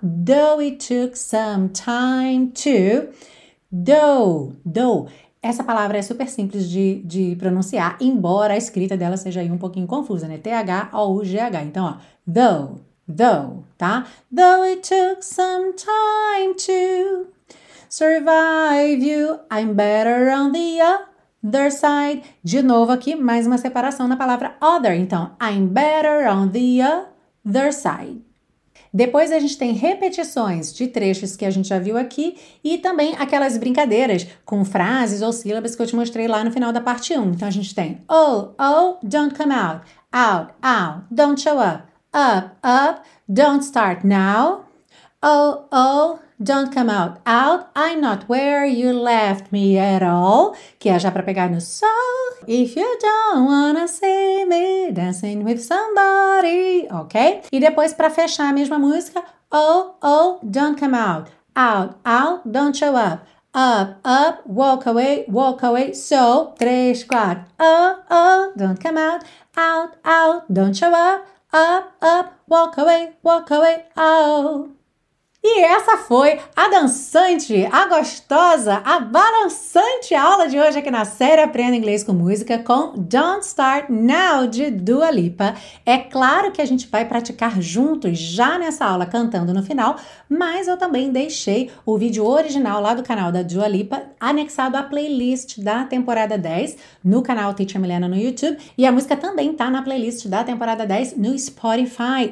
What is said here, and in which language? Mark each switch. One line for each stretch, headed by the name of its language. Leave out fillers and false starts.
English: Though it took some time to. Though.
Portuguese: Essa palavra é super simples de pronunciar, embora a escrita dela seja aí um pouquinho confusa, né? THOUGH. Então, ó.
English: Though,
Portuguese: tá?
English: Though it took some time to survive you, I'm better on the other side.
Portuguese: De novo aqui, mais uma separação na palavra
English: other.
Portuguese: Então,
English: I'm better on the other side.
Portuguese: Depois a gente tem repetições de trechos que a gente já viu aqui e também aquelas brincadeiras com frases ou sílabas que eu te mostrei lá no final da parte 1. Então a gente tem
English: oh, don't come out, out, out, don't show up, don't start now. Oh, don't come out, out, I'm not where you left me at all.
Portuguese: Que é já para pegar no sol.
English: If you don't wanna see me dancing with somebody, ok?
Portuguese: E depois para fechar a mesma música,
English: oh, don't come out, out, out, don't show up, walk away, so,
Portuguese: três, quatro,
English: oh, don't come out, out, out, don't show up, walk away, oh.
Portuguese: E essa foi a dançante, a gostosa, a balançante aula de hoje aqui na série Aprenda Inglês com Música com Don't Start Now de Dua Lipa. É claro que a gente vai praticar juntos já nessa aula cantando no final, mas eu também deixei o vídeo original lá do canal da Dua Lipa anexado à playlist da temporada 10 no canal Teacher Milena no YouTube e a música também tá na playlist da temporada 10 no Spotify.